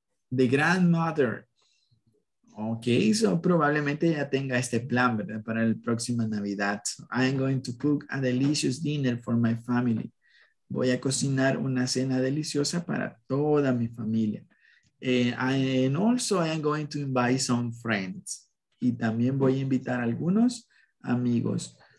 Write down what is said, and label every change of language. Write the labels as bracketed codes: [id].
[en] The grandmother. [es] Okay, so probablemente ya tenga este plan, ¿verdad? Para la próxima Navidad. [en] I am going to cook a delicious dinner for my family. [es] Voy a cocinar una cena deliciosa para toda mi familia. [en] And also I am going to invite some friends. [es] Y también voy a invitar a algunos amigos.